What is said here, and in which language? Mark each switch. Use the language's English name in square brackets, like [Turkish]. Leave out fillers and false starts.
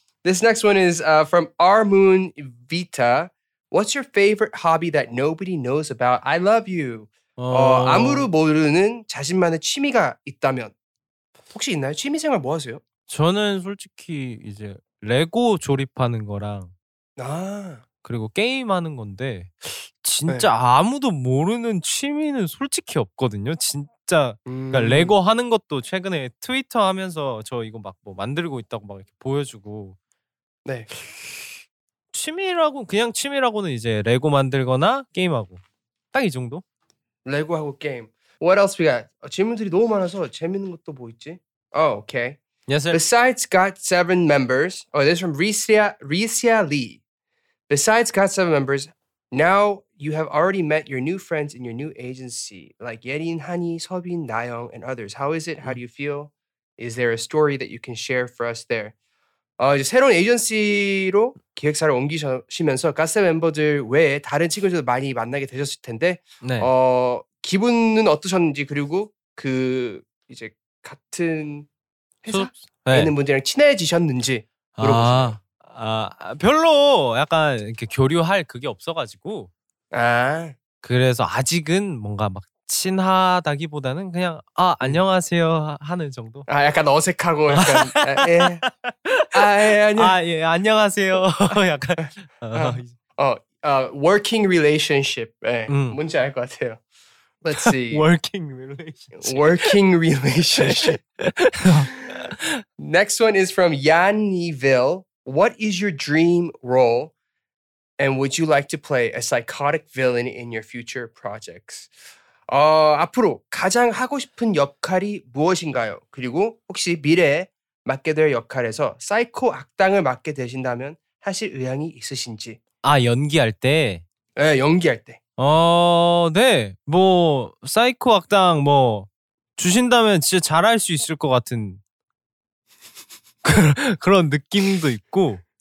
[English] This next one is from R Moon Vita. What's your favorite hobby that nobody knows about? I love you. [Korean] 아무도 모르는 자신만의 취미가 있다면 혹시 있나요? 취미 생활 뭐 하세요? 저는 솔직히 이제 레고 조립하는 거랑 아. 그리고 게임하는 건데 진짜 네. 아무도 모르는 취미는 솔직히 없거든요. 진짜 그러니까 레고 하는 것도 최근에 트위터 하면서 저 이거 막 뭐 만들고 있다고 막 이렇게 보여주고 네 취미라고 그냥 취미라고는 이제 레고 만들거나 게임하고 딱 이 정도? 레고하고 게임. [English] What else we got? [Korean] 질문들이 너무 많아서 재밌는 것도 뭐 있지? [English] Oh, okay. Yes, sir. Besides GOT7 members, oh, this is from Risia Lee. Besides GOT7 members, now you have already met your new friends in your new agency, like Yerin, Hani, Sobin, Nayeong, and others. How is it? How do you feel? Is there a story that you can share for us there? [Korean] 이제 새로운 에이전시로 기획사를 옮기시면서 GOT7 멤버들 외에 다른 친구들도 많이 만나게 되셨을 텐데, 네. 기분은 어떠셨는지 그리고 그 이제 같은 회사에 있는 네. 분들이랑 친해지셨는지 물어보시죠. 별로 약간 이렇게 교류할 그게 없어가지고 아. 그래서 아직은 뭔가 막 친하다기보다는 그냥 아 안녕하세요 하는 정도. 아 약간 어색하고 약간 안녕하세요 약간 [English] working relationship [Korean] 예. 뭔지 알 것 같아요. [English] Let's see. Working relationship. Next one is from Yanniville. What is your dream role and would you like to play a psychotic villain in your future projects? [Korean] 앞으로 가장 하고 싶은 역할이 무엇인가요? 그리고 혹시 미래에 맡게 될 역할에서 사이코 악당을 맡게 되신다면 하실 의향이 있으신지? 아, 연기할 때? 네, 연기할 때. 네. 뭐 사이코 악당 뭐 주신다면 진짜 잘할 수 있을 것 같은 그런 느낌도 있고